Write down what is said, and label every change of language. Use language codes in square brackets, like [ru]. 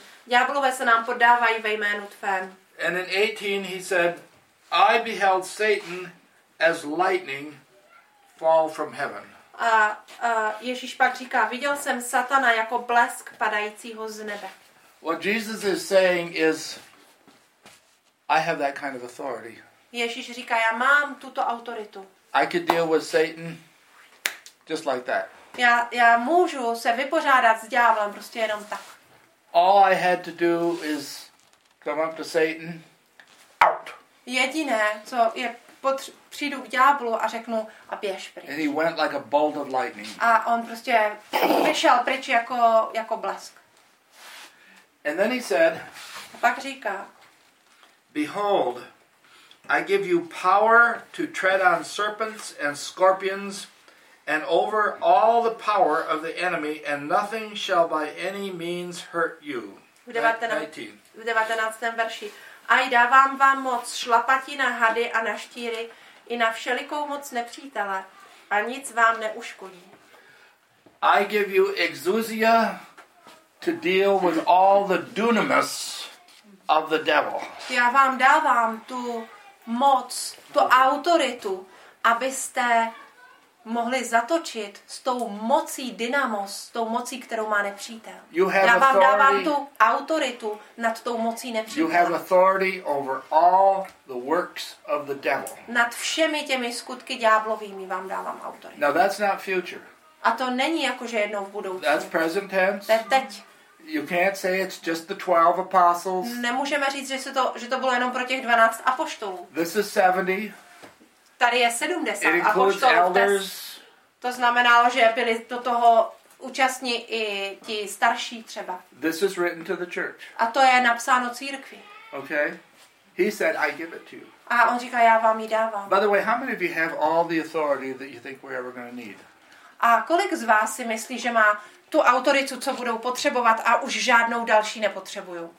[cs] Ďáblové se nám poddávají ve jménu tvém. [en] And in 18 he said, I beheld Satan as lightning fall from heaven. [cs] A Ježíš pak říká, viděl jsem Satana jako blesk padajícího z nebe. [en] What Jesus is saying is, I have that kind of authority. [cs] Ježíš říká, já mám tuto autoritu. [en] I could deal with Satan just like that. [cs] Já můžu se vypořádat s ďáblem prostě jenom tak. [en] All I had to do is come up to Satan, out. [cs] Jediné, co je, přijdu k ďáblu a řeknu, a běž pryč. [en] And he went like a bolt of lightning. [cs] A on prostě vyšel pryč jako blesk. [en] And then he said, [cs] a pak říká, [en] behold, I give you power to tread on serpents and scorpions and over all the power of the enemy and nothing shall by any means hurt you. [cs] V 19. verši. A dávám vám moc šlapatí na hady a na štíry i na všelikou moc nepřítele a nic vám neuškodí. [en] I give you exousia to deal with all the dunamis of the devil. [cs] Já vám dávám tu moc, tu autoritu, abyste mohli zatočit s tou mocí dynamos, s tou mocí, kterou má nepřítel. Já vám [en] authority. [cs] Dávám tu autoritu nad tou mocí nepřítele. [en] You have authority over all the works of the devil. [cs] Nad všemi těmi skutky ďáblovými vám dávám autoritu. [en] Now that's not future. [cs] A to není jakože jednou v budoucnu. [en] That's present tense. [cs] To je teď. [en] You can't say it's just the 12 apostles. [cs] Nemůžeme říct, že to bylo jenom pro těch 12 apoštolů. [en] This is 70. [cs] Tady je 70 apoštolů. To znamenalo, že byli do toho účastní i ti starší třeba. [en] This is written to the church. [cs] A to je napsáno církvi. [en] Okay. He said, I give it to you. [cs] A on říká, já vám ji dávám. [en] By the way, how many of you have all the authority that you think we're ever going to need? [cs] A kolik z vás si myslí, že má tu autoritu, co budou potřebovat a už žádnou další nepotřebují?